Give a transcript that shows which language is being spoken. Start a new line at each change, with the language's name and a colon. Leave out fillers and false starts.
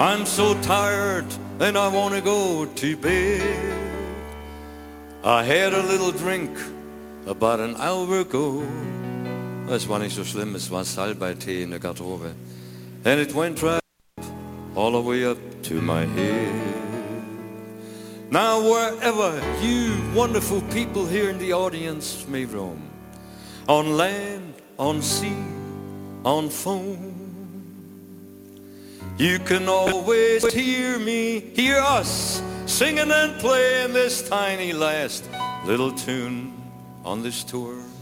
English: I'm so tired and I want to go to bed. I had a little drink about an hour ago.
German: Es war nicht so schlimm, es war Salbeitee in der Garderobe.
English: And it went right all the way up to my head. Now wherever you wonderful people here in the audience may roam, on land, on sea, on foam, you can always hear me, hear us, singing and playing this tiny last little tune on this tour.